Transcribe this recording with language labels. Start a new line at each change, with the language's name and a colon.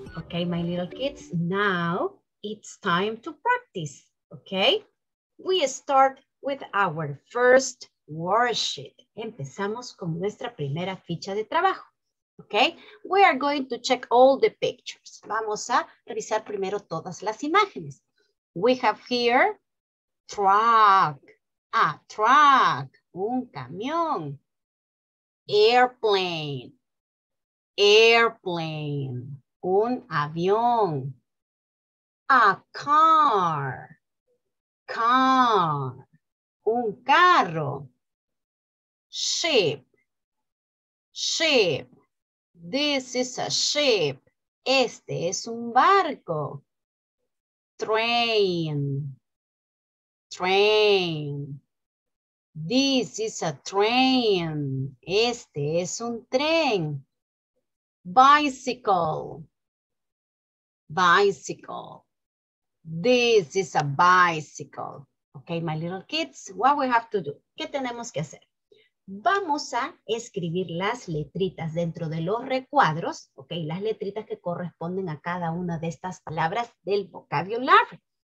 English: Okay, my little kids, now it's time to practice, okay? We start with our first worksheet.
Spanish: Empezamos con nuestra primera ficha de trabajo, okay?
English: We are going to check all the pictures.
Spanish: Vamos a revisar primero todas las imágenes.
English: We have here truck, a truck,
Spanish: un camión, airplane, airplane, un avión, a car, car, un carro, ship,
English: ship, this is a ship,
Spanish: este es un barco,
English: train, train. This is a train.
Spanish: Este es un tren.
English: Bicycle. Bicycle. This is a bicycle. Okay, my little kids, what we have to do?
Spanish: ¿Qué tenemos que hacer? Vamos a escribir las letritas dentro de los recuadros, okay, las letritas que corresponden a cada una de estas palabras del vocabulario.